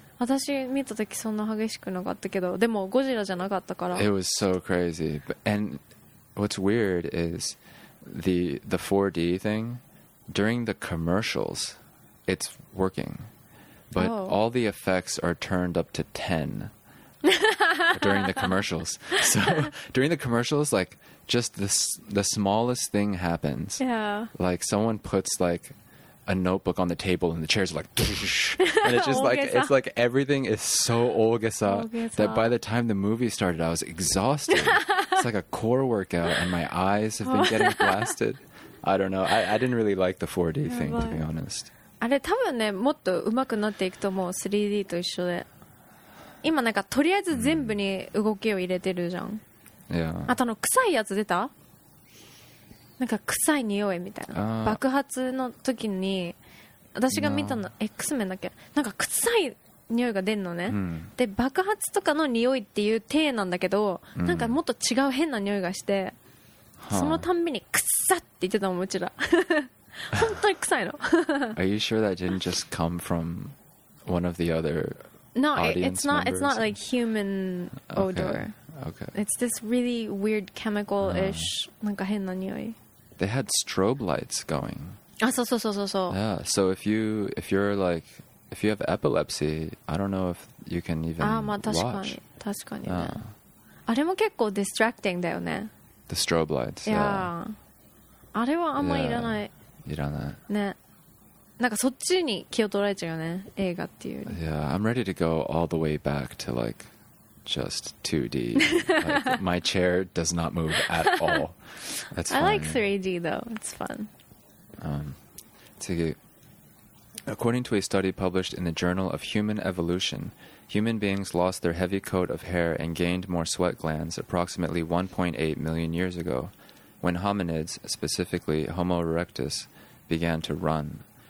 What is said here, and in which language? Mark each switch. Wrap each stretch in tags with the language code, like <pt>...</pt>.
<ja>私見た時そんな激しくなかったけど、でもゴジラじゃなかったから。</ja> <en>It was so crazy. And what's weird is the 4D thing, during the commercials, it's working. But all the effects are turned up to 10 during the commercials. So during the commercials, like just the smallest thing happens. Yeah. Like someone puts like a notebook on the table and the chairs are like, and it's just like, it's like everything is so olgesa that by the time the movie started, I was exhausted. It's like a core workout and my eyes have been getting blasted. I don't know. I didn't really like the 4D thing, to be honest.</en> <ja>あれ多分ね、もっと上手くなっていくと思う。 3D と一緒で今なんかとりあえず全部に動きを入れてるじゃん。</ja> <en>Yeah.</en> <ja>あとあの臭いやつ出た、なんか臭い匂いみたいな、爆発の時に私が見たの、no. X 面だっけ、なんか臭い匂いが出んのね、で爆発とかの匂いっていう体なんだけど、なんかもっと違う変な匂いがして、そのたんびに臭っって言ってたもん、うちら本当に臭いの。</ja> <en>Are you sure that didn't just come from one of the other No, audience it's not. It's not like human odor. Okay. It's this really weird chemical-ish,</en> <ja>なんか変な匂い。</ja> <en>They had strobe lights going.</en> <ja>あ、そうそうそうそうそう。</ja> <en>Yeah. So if you're like if you have epilepsy, I don't know if you can even watch.</en> <ja>まあ確かに。確かにね。あれも結構ディストラクティングだよね。</ja> <en>The strobe lights.</en> <ja>Yeah. あれはあんまりいらない。いらない。ね。なんかそっちに気を取られちゃうよね。映画っていう。</ja> <en>Yeah, I'm ready to go all the way back to like just 2D. Like, my chair does not move at all. That's fine. I like 3D though. It's fun.</en> <ja>次。</ja> <en>According to a study published in the Journal of Human Evolution, human beings lost their heavy coat of hair and gained more sweat glands approximately 1.8 million years ago, when hominids, specifically Homo erectus, began to run.</en>